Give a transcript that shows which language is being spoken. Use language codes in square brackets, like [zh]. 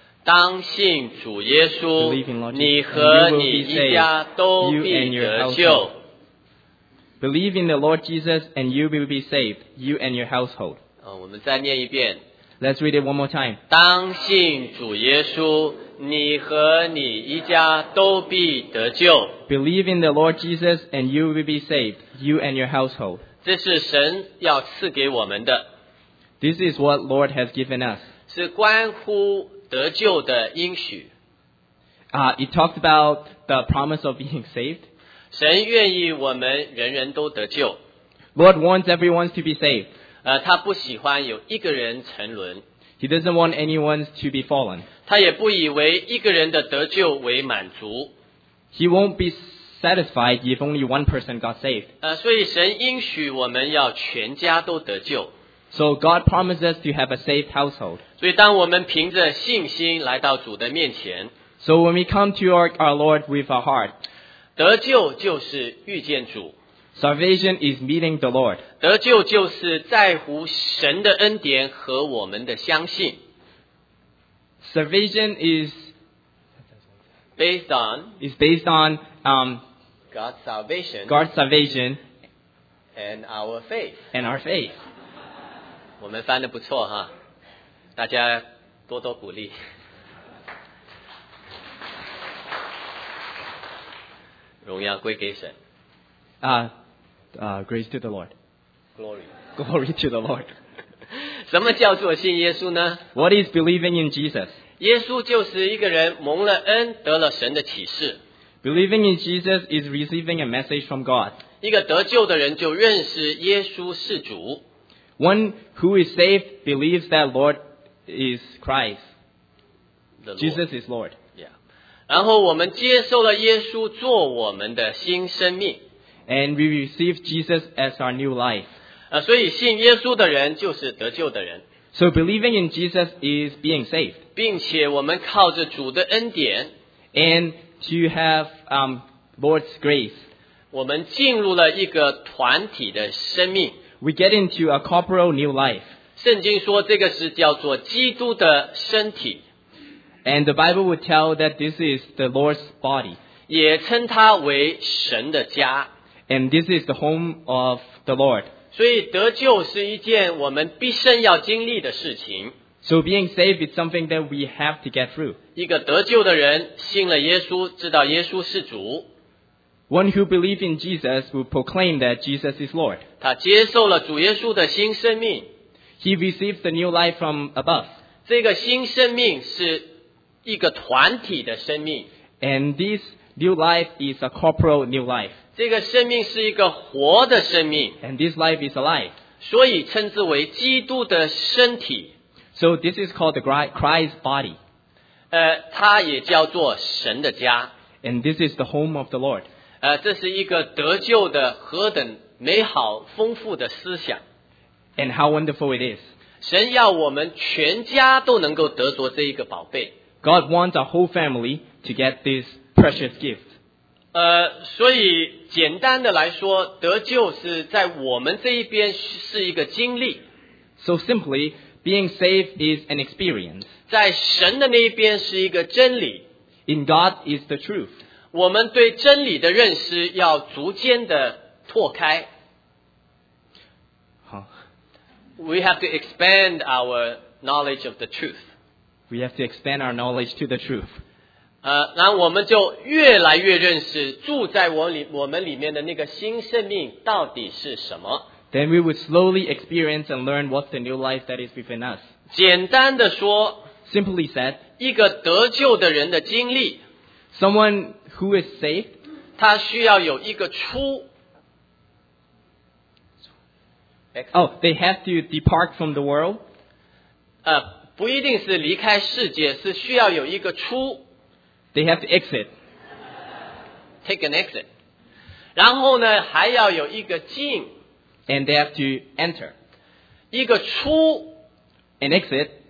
[zh] 当信主耶稣，你和你一家都必得救。 [en] Believe in the Lord Jesus and you will be saved, you and your household. [zh] 我们再念一遍。 [en] Let's read it one more time. [zh] 当信主耶稣，你和你一家都必得救。 [en] Believe in the Lord Jesus and you will be saved, you and your household. [zh] 这是神要赐给我们的。 [en] This is what Lord has given us. [zh] 是关乎得救的应许。 [en] It talks about the promise of being saved. [zh] 神愿意我们人人都得救。 [en] Lord wants everyone to be saved. [zh] 他不喜欢有一个人沉沦。 [en] He doesn't want anyone to be fallen. [zh] 他也不以为一个人的得救为满足。 [en] He won't be satisfied if only one person got saved. [zh] 所以神应许我们要全家都得救。 [en] So God promises to have a saved household. [zh] 所以当我们凭着信心来到主的面前， [en] So when we come to our Lord with our heart, [zh] 得救就是遇见主。 [en] Salvation is meeting the Lord. [zh] 得救就是在乎神的恩典和我们的相信。 [en] Salvation is based on God's salvation and our faith. And our faith. [zh] 我们翻得不错哈，大家多多鼓励。荣耀归给神。 [en] Grace to the Lord. Glory. Glory to the Lord. [zh] 什么叫做信耶稣呢？ [en] What is believing in Jesus? [zh] 耶稣就是一个人蒙了恩，得了神的启示。 [en] Believing in Jesus is receiving a message from God. [zh] 一个得救的人就认识耶稣是主。 [en] One who is saved believes that Lord is Christ. Jesus is Lord. Yeah. [zh] 然后我们接受了耶稣做我们的新生命。 [en] And we receive Jesus as our new life. [zh] 所以信耶稣的人就是得救的人。 [en] So believing in Jesus is being saved. [zh] 并且我们靠着主的恩典。 [en] And to have Lord's grace. [zh] 我们进入了一个团体的生命。 [en] We get into a corporal new life. [zh] 圣经说这个是叫做基督的身体。 [en] And the Bible would tell that this is the Lord's body. [zh] 也称它为神的家。 [en] And this is the home of the Lord. [zh] 所以得救是一件我们毕生要经历的事情。 [en] So being saved is something that we have to get through. [zh] 一个得救的人信了耶稣，知道耶稣是主。 [en] One who believes in Jesus will proclaim that Jesus is Lord. [zh] 他接受了主耶稣的新生命。 [en] He received the new life from above. [zh] 这个新生命是一个团体的生命。 [en] And this new life is a corporal new life. [zh] 这个生命是一个活的生命。 [en] And this life is alive. [zh] 所以称之为基督的身体。 [en] So this is called the Christ's body. [zh] 它也叫做神的家。 [en] And this is the home of the Lord. [zh] 这是一个得救的何等美好丰富的思想。 [en] And how wonderful it is. [zh] 神要我们全家都能够得着这一个宝贝。 [en] God wants our whole family to get this precious gift. [zh] 所以简单的来说，得救是在我们这一边是一个经历。 [en] So simply, being saved is an experience. [zh] 在神的那一边是一个真理。 [en] In God is the truth. [zh] 我们对真理的认识要逐渐的拓开。 [en] We have to expand our knowledge of the truth. We have to expand our knowledge to the truth. [zh] 然后我们就越来越认识住在我们里面的那个新生命到底是什么。 [en] Then we would slowly experience and learn what's the new life that is within us. [zh] 简单的说 [en] Simply said, [zh] 一个得救的人的经历 [en] Someone who is saved, [zh] 他需要有一个出 [en] Oh, they have to depart from the world? [zh] 不一定是离开世界，是需要有一个出。 [en] They have to exit. Take an exit. [zh] 然后呢，还要有一个进。 [en] And they have to enter. [zh] 一个出。 [en] An exit.